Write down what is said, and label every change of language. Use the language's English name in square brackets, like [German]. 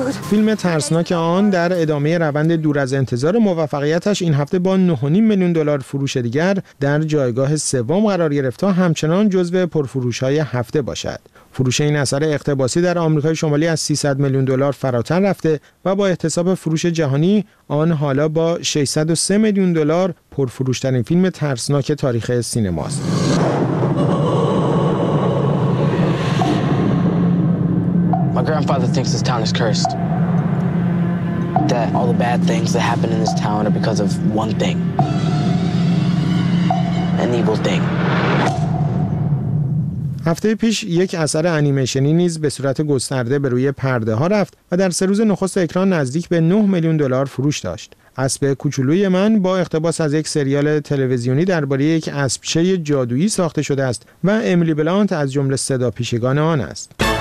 [Persian] فیلم ترسناک آن در ادامه روند دور از انتظار موفقیتش این هفته با 9.5 میلیون دلار فروش دیگر در جایگاه سوم قرار گرفت تا همچنان جزو پرفروش‌های هفته باشد. فروش این اثر اقتباسی در آمریکای شمالی از 300 میلیون دلار فراتر رفته و با احتساب فروش جهانی آن حالا با 603 میلیون دلار پرفروش‌ترین فیلم ترسناک تاریخ سینماست. [English] My grandfather thinks this town is cursed. That all the bad things that happen in this town are because of one thing. An evil thing. [Persian] هفته پیش یک اثر انیمیشنی نیز به صورت گسترده به روی پرده ها رفت و در 3 روز نخست اکران نزدیک به 9 میلیون دلار فروش داشت. اسب کوچولوی من با اقتباس از یک سریال تلویزیونی درباره یک اسبچه جادویی ساخته شده است و امیلی بلانت از جمله صدا پیشگان آن است.